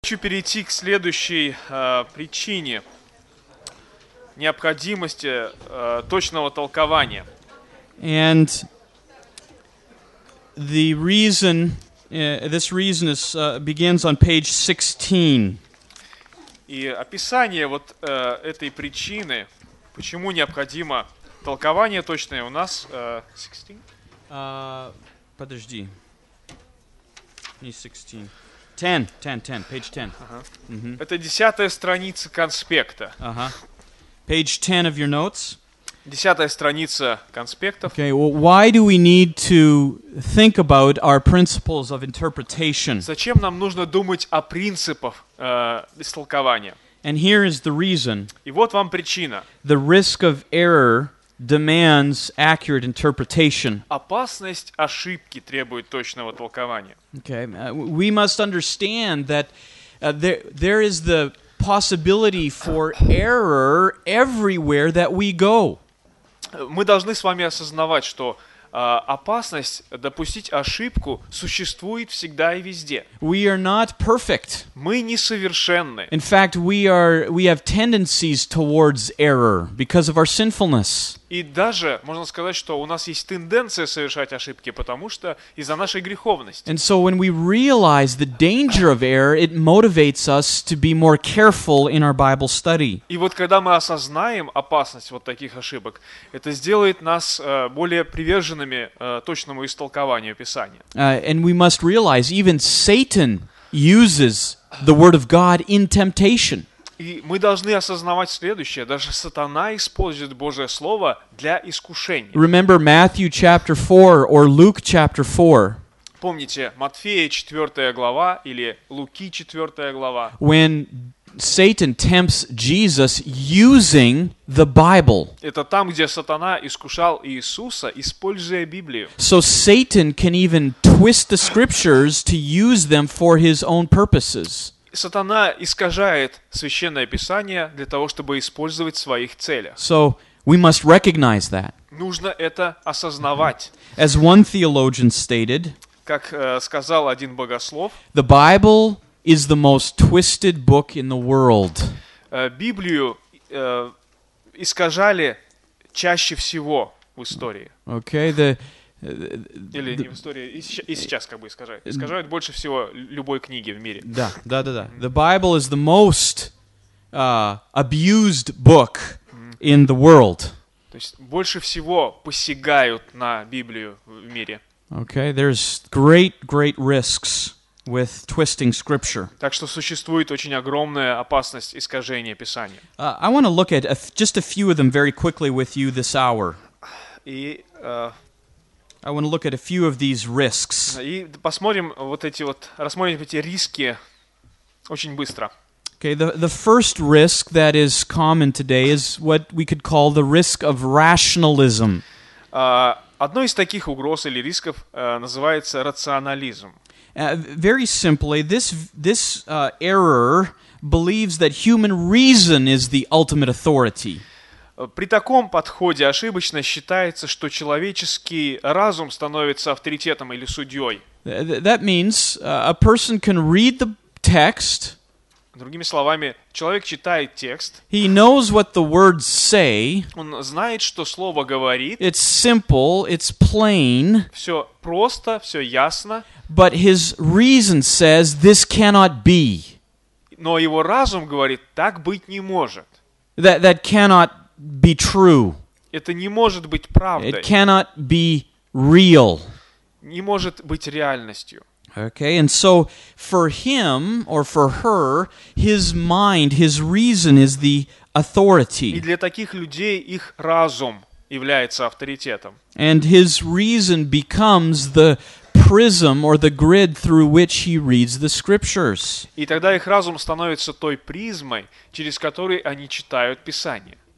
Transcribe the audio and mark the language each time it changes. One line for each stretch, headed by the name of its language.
Russian: Хочу перейти к следующей причине необходимости точного толкования.
English: And the reason, this reason is, begins on page 16.
Russian: И описание вот этой причины, почему необходимо толкование точное, у нас 16? Подожди. Не 16. 10,
English: page 10. Uh-huh. Mm-hmm.
Russian: Это 10-я страница конспекта.
English: Uh-huh. Page 10 of your notes.
Russian: 10-я страница конспектов.
English: Okay, well, why do we need to think about our principles of interpretation?
Russian: Зачем нам нужно думать о принципах истолкования?
English: And here is the reason.
Russian: И вот вам причина.
English: The risk of error demands accurate interpretation.
Russian: Опасность ошибки требует точного толкования.
English: Okay, we must understand that there is the possibility for error everywhere that we go.
Russian: Мы должны с вами осознавать, что опасность допустить ошибку существует всегда и везде.
English: We are not perfect.
Russian: Мы несовершенны.
English: In fact, we have tendencies towards error because of our sinfulness.
Russian: И даже можно сказать, что у нас есть тенденция совершать ошибки, потому что из-за нашей греховности.
English: And so when we realize the danger of error, it motivates us to be more careful in our Bible study.
Russian: И вот когда мы осознаем опасность вот таких ошибок, это сделает нас более приверженными точному истолкованию Писания.
English: And we must realize even Satan uses the Word of God in temptation.
Russian: И мы должны осознавать следующее: даже сатана использует Божье слово для искушений.
English: Remember Matthew chapter 4 or Luke chapter 4.
Russian: Помните Матфея 4 глава или Луки 4 глава?
English: When Satan tempts Jesus using the Bible.
Russian: Это там, где сатана искушал Иисуса, используя Библию.
English: So Satan can even twist the scriptures to use them for his own purposes.
Russian: Сатана искажает Священное Писание для того, чтобы использовать в своих целях.
English: So we must recognize that.
Russian: Нужно это осознавать.
English: As one theologian stated,
Russian: как сказал один богослов,
English: the Bible is the most twisted book in the world.
Russian: Библию искажали чаще всего в истории.
English: Okay, the
Russian: Или не в истории, и сейчас как бы искажают больше всего любой книги в мире. Да.
English: The Bible is the most abused book in the world.
Russian: То есть больше всего посягают на Библию в мире.
English: Okay, there's great risks with twisting scripture.
Russian: Так что существует очень огромная опасность искажения Писания.
English: I want to look at just a few of them very quickly with you this hour. I want to look at a few of these risks.
Russian: И посмотрим вот эти вот, рассмотрим эти риски очень быстро.
English: Okay, the first risk that is common today is what we could call the risk of rationalism.
Russian: Одной из таких угроз или рисков называется рационализм.
English: Very simply, this error believes that human reason is the ultimate authority.
Russian: При таком подходе ошибочно считается, что человеческий разум становится авторитетом или судьей.
English: That means a person can read the text.
Russian: Другими словами, человек читает текст.
English: He knows what the words say.
Russian: Он знает, что слово говорит.
English: It's simple, it's plain.
Russian: Все просто, все ясно.
English: But his reason says this cannot be.
Russian: Но его разум говорит, так быть не может.
English: That cannot be true.
Russian: Это не может быть правдой.
English: It cannot be real.
Russian: Не может быть реальностью.
English: Okay, and so for him or for her, his mind, his reason is the authority.
Russian: И для таких людей их разум является авторитетом.
English: And his reason becomes the prism or the grid through which he reads the scriptures.
Russian: И тогда их разум становится той призмой, через которую они читают Писание.